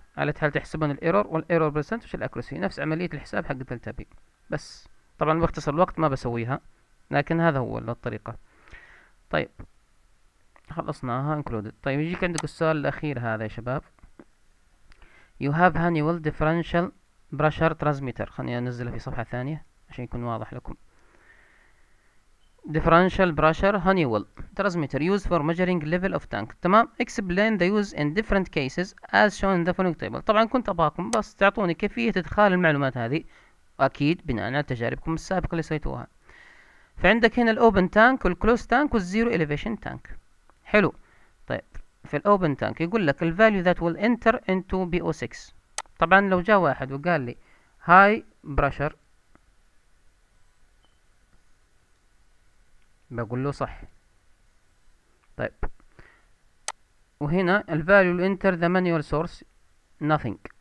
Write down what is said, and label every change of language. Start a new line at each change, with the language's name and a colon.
Arabic: على هل تحسبون الايرور والايرور برسنت وش الاكروسي نفس عملية الحساب حق الدلتا بي بس طبعا باختصر الوقت ما بسويها لكن هذا هو الطريقة. طيب خلصناها انكلودد. طيب يجيك عندك السؤال الاخير هذا يا شباب
English: you have annual differential pressure transmitter
Arabic: خلني انزله في صفحة ثانية عشان يكون واضح لكم.
English: Differential pressure Honeywell transmitter used for measuring level of tank.
Arabic: تمام.
English: Explain the use in different cases as shown in the following table.
Arabic: طبعا كنت أباكم بس تعطوني كيفية إدخال المعلومات هذه. أكيد بناء على تجاربكم السابقة اللي سويتوها. فعندك هنا الopen tank والclose tank والzero elevation tank. حلو. طيب في الopen tank يقول لك
English: the value that will enter into PO6.
Arabic: طبعا لو جاء واحد وقال لي high pressure بقول له صح. طيب وهنا الفاليو انتر ذا مانيوال سورس nothing.